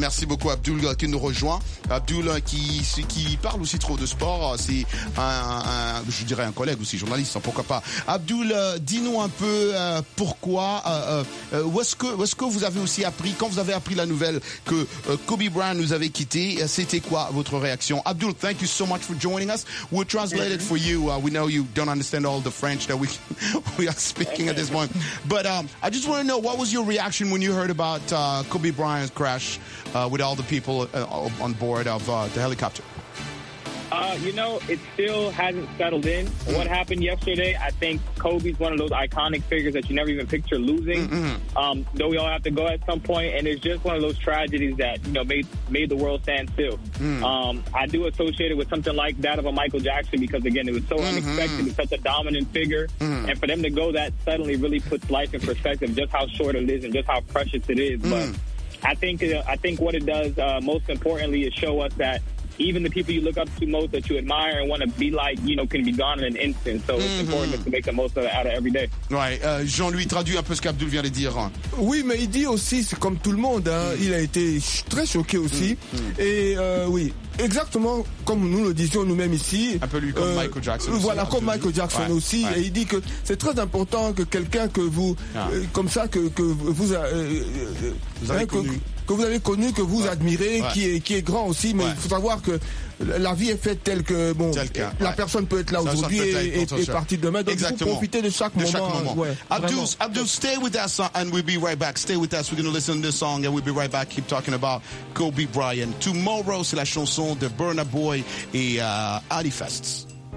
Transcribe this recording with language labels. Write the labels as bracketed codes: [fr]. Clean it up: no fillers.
[fr] Merci beaucoup Abdoul qui nous rejoint. Abdoul qui parle aussi trop de sport. C'est un collègue aussi, journaliste. Hein, pourquoi pas. Abdoul, dis-nous un peu pourquoi. Où est-ce que vous avez aussi appris, quand vous avez appris la nouvelle que Kobe Bryant nous avait quitté, c'était quoi votre réaction? [en] Abdoul, thank you so much for joining us. We'll translate it for you. We know you don't understand all the French that we are speaking at this moment. But I just want to know, what was your reaction when you heard about Kobe Bryant's crash with all the people on board of the helicopter? You know, it still hasn't settled in. Mm-hmm. What happened yesterday, I think Kobe's one of those iconic figures that you never even picture losing. Mm-hmm. Though we all have to go at some point, and it's just one of those tragedies that, you know, made the world stand still. Mm-hmm. I do associate it with something like that of a Michael Jackson because, again, it was so unexpected. Mm-hmm. Such a dominant figure. Mm-hmm. And for them to go that suddenly really puts life in perspective, just how short it is and just how precious it is. Mm-hmm. But I think what it does, most importantly, is show us that even the people you look up to most, that you admire and want to be like, you know, can be gone in an instant. So it's important to make the most of it out of every day. Right. [fr] Jean-Louis, traduit un peu ce qu'Abdoul vient de dire. Oui, mais il dit aussi, c'est comme tout le monde, hein, il a été très choqué aussi. Et oui. Exactement comme nous le disions nous-mêmes ici. Un peu lui comme Michael Jackson. Aussi, voilà, comme Michael Jackson aussi. Ouais, ouais. Et il dit que c'est très important que quelqu'un que vous, comme ça, que vous avez connu, que vous admirez, ouais, qui est grand aussi. Mais il faut savoir que la vie est faite telle que, bon, la personne peut être là aujourd'hui et partir demain. Donc, exactement, il faut profiter de chaque moment. [en] Abdoul, stay with us and we'll be right back. Stay with us. We're going to listen to this song and we'll be right back. Keep talking about Kobe Bryant. Tomorrow, [fr] c'est la chanson de Burna Boy et Ali Fest.